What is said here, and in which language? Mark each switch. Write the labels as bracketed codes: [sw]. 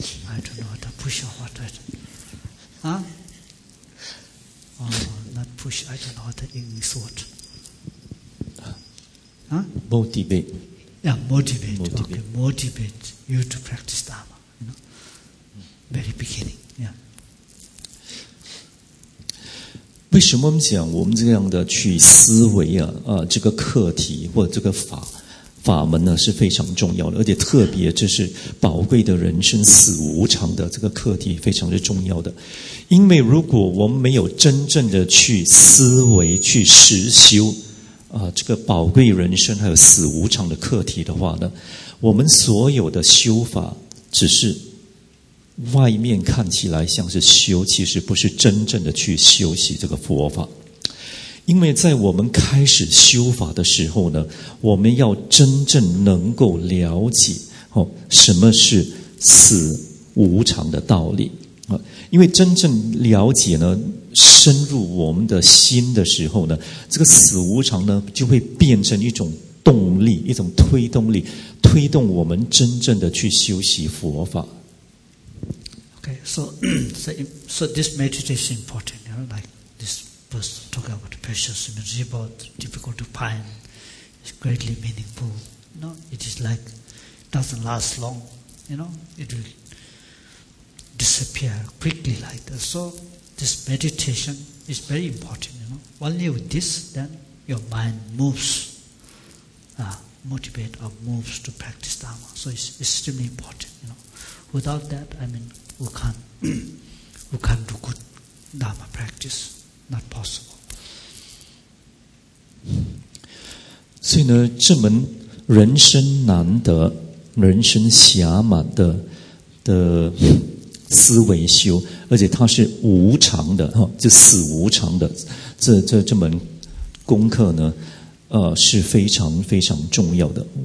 [en] I don't know what to push or what that. Huh? Oh, not push, I don't know what the English word. Huh? Motivate. Yeah, motivate. Okay, motivate you to practice Dharma, you know? Very beginning, yeah. [zh] 为什么我们讲我们这样的去思维啊，这个课题或者这个法门呢是非常重要的，而且特别这是宝贵的人生死无常的这个课题非常的重要的。因为如果我们没有真正的去思维去实修这个宝贵人生还有死无常的课题的话呢，我们所有的修法只是外面看起来像是修，其实不是真正的去修习这个佛法。因为在我们开始修法的时候呢，我们要真正能够了解什么是死无常的道理。因为真正了解呢，深入我们的心的时候呢，这个死无常呢就会变成一种动力，一种推动力，推动我们真正的去修习佛法。 [en] Okay, so this meditation is important, you know, like this person talk about precious about difficult to find, it's greatly meaningful. No, it is like doesn't last long, you know, it will disappear quickly like that. So this meditation is very important, you know. Only with this, then your mind moves, motivate or moves to practice Dharma. So it's extremely important, you know. Without that, I mean,We can't do good Dharma practice. Not possible. [zh] 所以呢，这门人生难得、人生狭满的思维修，而且它是无常的，就死无常的，这门功课呢，是非常非常重要的。